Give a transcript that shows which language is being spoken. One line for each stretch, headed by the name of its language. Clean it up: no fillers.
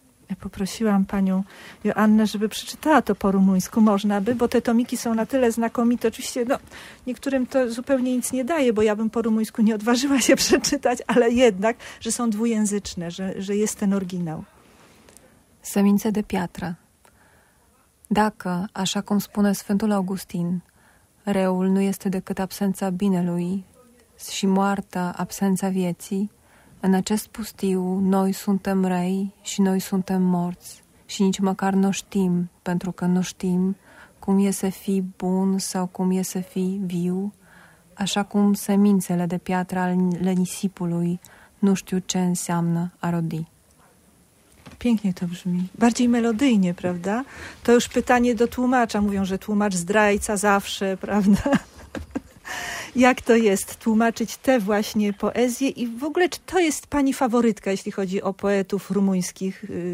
Polish: Ja poprosiłam panią Joannę, żeby przeczytała to po rumuńsku. Można by, bo te tomiki są na tyle znakomite. Oczywiście niektórym to zupełnie nic nie daje, bo ja bym po rumuńsku nie odważyła się przeczytać, ale jednak, że są dwujęzyczne, że jest ten oryginał.
Romanian: Semințe de piatră. Dacă, așa cum spune Sfântul Augustin, reul nu este decât absența binelui și moartea absența vieții, în acest pustiu noi suntem rei și noi suntem morți și nici măcar nu știm, pentru că nu știm cum e să fii bun sau cum e să fii viu, așa cum semințele de piatră ale nisipului nu știu ce înseamnă a rodi.
Polish: Pięknie to brzmi. Bardziej melodyjnie, prawda? To już pytanie do tłumacza. Mówią, że tłumacz zdrajca zawsze, prawda? Jak to jest tłumaczyć te właśnie poezje? I w ogóle, czy to jest pani faworytka, jeśli chodzi o poetów rumuńskich?